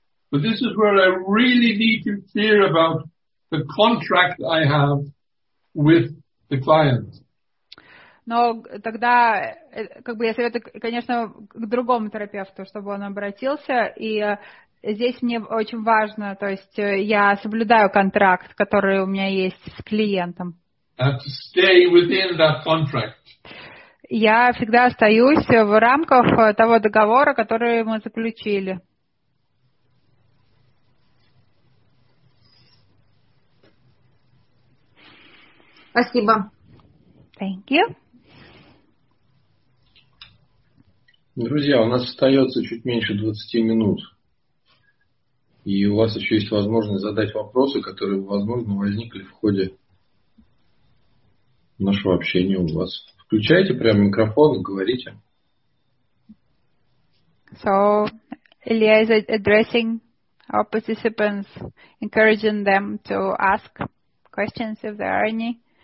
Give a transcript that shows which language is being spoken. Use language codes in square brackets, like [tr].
[en] But this is where I really need to clear about the contract I have with the client. [ru] Но тогда, как бы я советую, конечно, к другому терапевту, чтобы он обратился. И здесь мне очень важно, то есть я соблюдаю контракт, который у меня есть с клиентом. [en] And to stay within that contract. [ru] Я всегда остаюсь в рамках того договора, который мы заключили. Спасибо. [en] Thank you. [ru] Друзья, у нас остается чуть меньше 20 минут. И у вас еще есть возможность задать вопросы, которые, возможно, возникли в ходе нашего общения у вас. Включайте прямо микрофон и говорите. [en] So, Ilya is addressing our participants, encouraging them to ask questions if there are any.